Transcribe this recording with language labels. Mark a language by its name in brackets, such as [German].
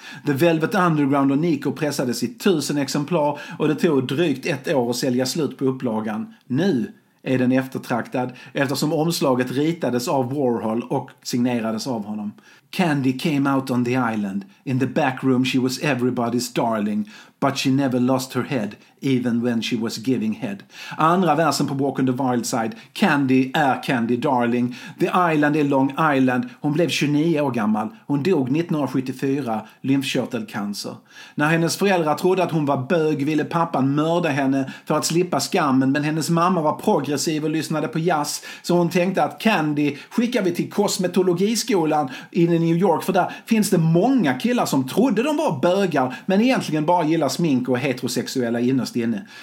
[Swedish] The Velvet Underground och Nico pressades i 1000 exemplar och det tog drygt ett år att sälja slut på upplagan. Nu är den eftertraktad eftersom omslaget ritades av Warhol och signerades av honom. [English] Candy came out on the island. In the back room she was everybody's darling. but she never lost her head, even when she was giving head. [Swedish] Andra versen på Walk on the Wild Side, Candy är Candy Darling, The Island är Long Island, hon blev 29 år gammal, hon dog 1974, lymfkörtelcancer. När hennes föräldrar trodde att hon var bög ville pappan mörda henne för att slippa skammen, men hennes mamma var progressiv och lyssnade på jazz, så hon tänkte att Candy skickar vi till kosmetologiskolan i New York, för där finns det många killar som trodde de var bögar, men egentligen bara gillar smink och heterosexuella innerst inne.